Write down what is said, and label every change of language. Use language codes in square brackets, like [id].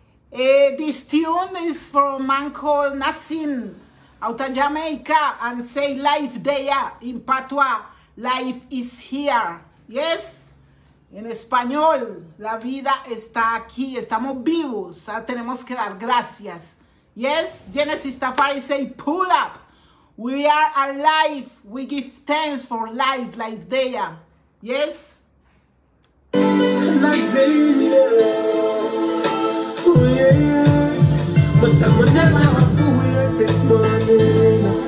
[en] This tune is from a man called Nazine out of Jamaica and say life there in Patois, life is here. [es] Yes, en español, la vida está aquí, estamos vivos, ah, tenemos que dar gracias. [en] Yes, Genesis Tafari say pull up. We are alive, we give thanks for life, life there. Yes. Nazine, oh yes, but someone never have to wait this morning.